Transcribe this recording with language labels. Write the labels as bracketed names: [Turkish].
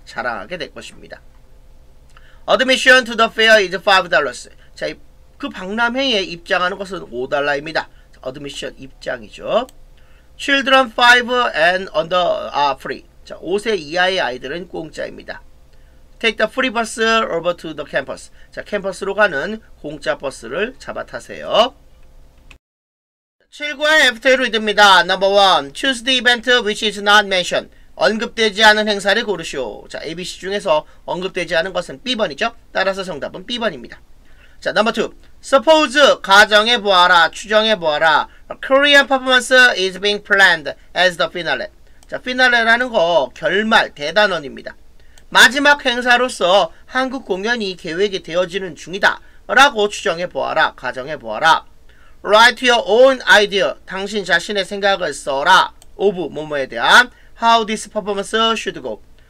[Korean] 자랑하게 될 것입니다. [English] Admission to the fair is $5. [Korean] 자, 그 박람회에 입장하는 것은 $5입니다. [English] Admission [Korean] 입장이죠. [English] Children 5 and under are free. [Korean] 자, 5세 이하의 아이들은 공짜입니다. [English] Take the free bus over to the campus. [Korean] 자, 캠퍼스로 가는 공짜 버스를 잡아 타세요. [English] 7과의 after you read입니다. Number 1. Choose the event which is not mentioned. [Korean] 언급되지 않은 행사를 고르시오. 자, ABC 중에서 언급되지 않은 것은 B번이죠. 따라서 정답은 B번입니다. 자, [English] Number 2. Suppose, [Korean] 가정해보아라, 추정해보아라. [English] A Korean performance is being planned as the finale. [Korean] 자, finale라는 거 결말, 대단원입니다. 마지막 행사로서 한국 공연이 계획이 되어지는 중이다. 라고 추정해보아라, 가정해보아라. [English] Write your own idea. [Korean] 당신 자신의 생각을 써라. [English] Of [Korean] 뭐뭐에 대한 [English] How this performance should go.